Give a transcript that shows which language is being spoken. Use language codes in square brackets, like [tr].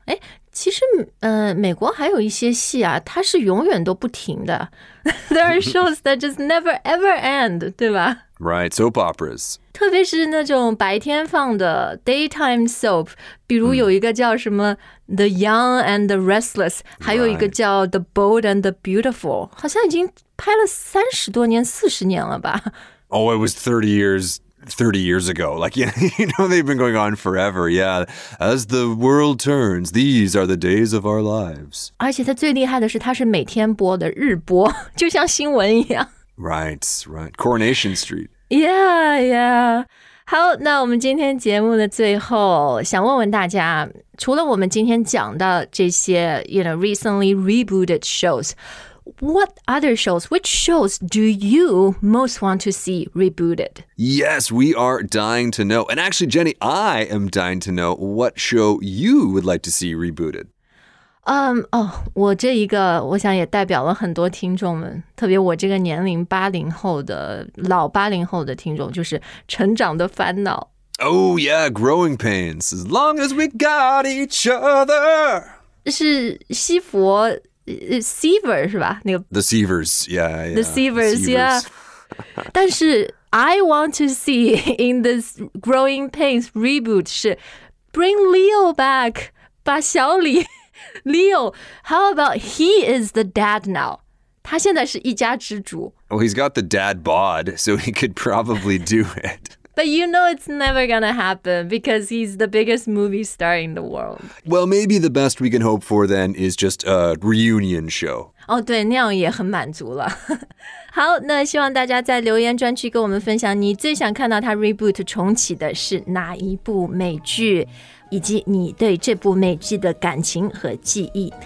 [zh] 哎其实、美国还有一些戏啊它是永远都不停的。 [en] There are shows that just never ever end, [zh] 对吧 [en] Right, soap operas. [zh] 特别是那种白天放的 daytime soap, 比如有一个叫什么、The Young and the Restless, 还有一个叫 The Bold and the Beautiful, 好像已经拍了三十多年四十年了吧。 [en] Oh, it was 30 years ago. Like, you know, they've been going on forever. Yeah. As the world turns, these are the days of our lives. [zh] 而且它最厉害的是它是每天播的日播就像新闻一样。 [en] Right, right. Coronation Street. Yeah, yeah. [zh] 好那我们今天节目的最后想问问大家除了我们今天讲的这些 [en] you know, recently rebooted shows, What other shows, which shows do you most want to see rebooted? Yes, we are dying to know. And actually, Jenny, I am dying to know what show you would like to see rebooted. [zh] 我这一个我想也代表了很多听众们，特别我这个年龄80后的，老80后的听众，就是成长的烦恼。 [en] Oh yeah, growing pains. As long as we got each other. [zh] 是西佛。Seaver, 是吧？那个 [en] The Seavers, yeah, yeah. The Seavers, yeah. [zh] 但是 [en] I want to see in this Growing Pains reboot [zh] 是 [en] bring Leo back, [zh] 把小李 [en] Leo, how about he is the dad now? [zh] 他现在是一家之主。 [en] Well, he's got the dad bod, so he could probably do it. But you know it's never gonna happen because he's the biggest movie star in the world. Well, maybe the best we can hope for then is just a reunion show. [zh] 哦、oh, ，对，那样也很满足了。好，那希望大家在留言专区跟我们分享你最想看到他 reboot 重启的是哪一部美剧，以及你对这部美剧的感情和记忆。